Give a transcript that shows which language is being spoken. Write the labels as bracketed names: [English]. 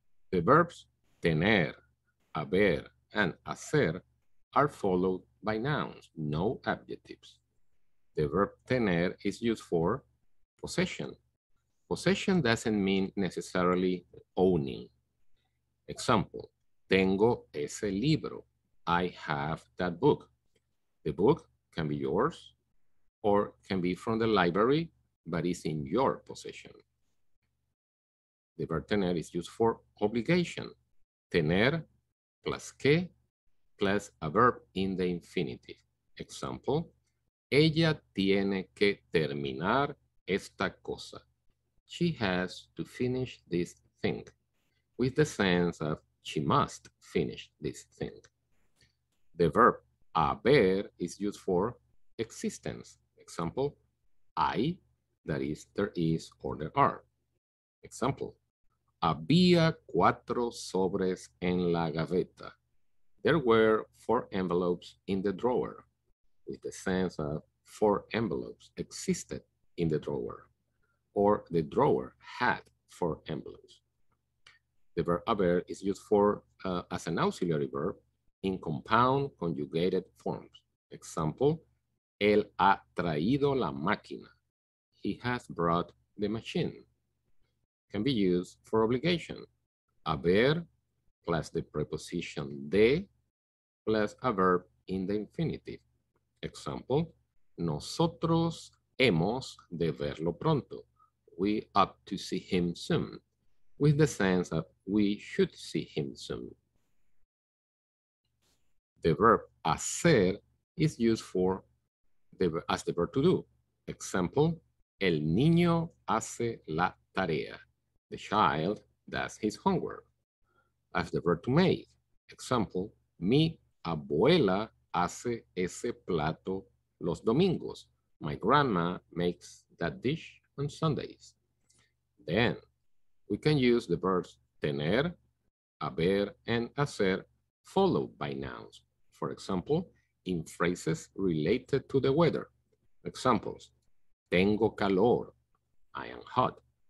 [English] The verbs tener, haber, and hacer are followed by nouns, no adjectives. The verb tener is used for possession. Possession doesn't mean necessarily owning. Example, [Spanish] tengo ese libro. [English] I have that book. The book can be yours or can be from the library, but it's in your possession. The verb tener is used for obligation. Tener plus que plus a verb in the infinitive. Example, [Spanish] ella tiene que terminar esta cosa. [English] She has to finish this thing, with the sense of she must finish this thing. The verb haber is used for existence. Example, hay, that is, there is or there are. Example, [Spanish] había cuatro sobres en la gaveta. [English] There were four envelopes in the drawer, with the sense of four envelopes existed in the drawer, or the drawer had four envelopes. The verb haber is used for as an auxiliary verb in compound conjugated forms. Example, [Spanish] él ha traído la máquina. [English] He has brought the machine. Can be used for obligation. Haber plus the preposition de plus a verb in the infinitive. Example, [Spanish] nosotros hemos de verlo pronto. [English] We ought to see him soon, with the sense of we should see him soon. The verb hacer is used for as the verb to do. Example, [Spanish] el niño hace la tarea. [English] The child does his homework. As the verb to make. Example, [Spanish] mi abuela hace ese plato los domingos. [English] My grandma makes that dish on Sundays. Then, we can use the verbs tener, haber, and hacer followed by nouns. For example, in phrases related to the weather. Examples, [Spanish] tengo calor, [English] I am hot.